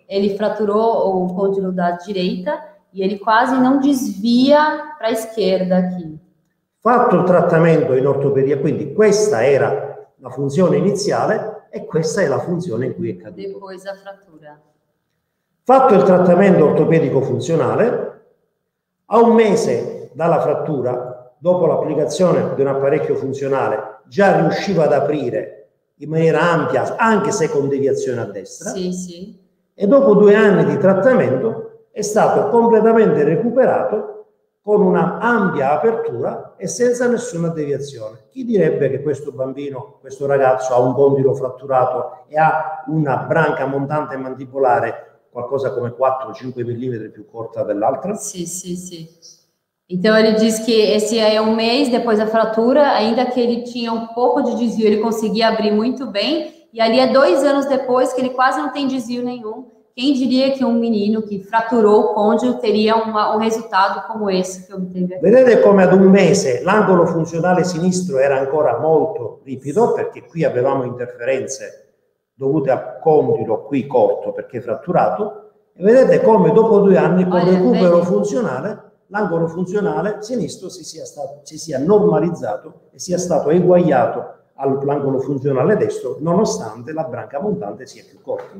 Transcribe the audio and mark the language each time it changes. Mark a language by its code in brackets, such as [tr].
[pt] Ele fraturou o côndilo da direita e ele quase não desvia para a esquerda aqui. [it] Fatto [pt] o tratamento em ortopedia, [it] quindi questa era la funzione iniziale, e questa è la funzione in cui è caduto. [pt] Depois da frattura. [it] Fatto il trattamento ortopedico funzionale, a un mese dalla frattura, dopo l'applicazione di un apparecchio funzionale, già riusciva ad aprire in maniera ampia, anche se con deviazione a destra. Sì, sì. E dopo 2 anni di trattamento è stato completamente recuperato con una ampia apertura e senza nessuna deviazione. Chi direbbe che questo bambino, questo ragazzo, ha un condilo fratturato e ha una branca montante mandibolare qualcosa come 4-5 mm più corta dell'altra? Sì, sì, sì. [pt] Então ele diz que esse aí é um mês depois da fratura, ainda que ele tinha um pouco de desvio, ele conseguia abrir muito bem, e ali é 2 anos depois que ele quase não tem desvio nenhum. Quem diria que um menino que fraturou o côndilo teria um resultado como esse que obteve aqui? [it] Vedete como ad um mês l'angolo funzionale sinistro era ancora molto ripido, perché qui avevamo interferenze dovute al condilo qui corto perché fratturato, e vedete come dopo 2 anni con recupero funzionale l'angolo funzionale sinistro si sia normalizzato e sia stato eguagliato all'angolo funzionale destro, nonostante la branca montante sia più corta.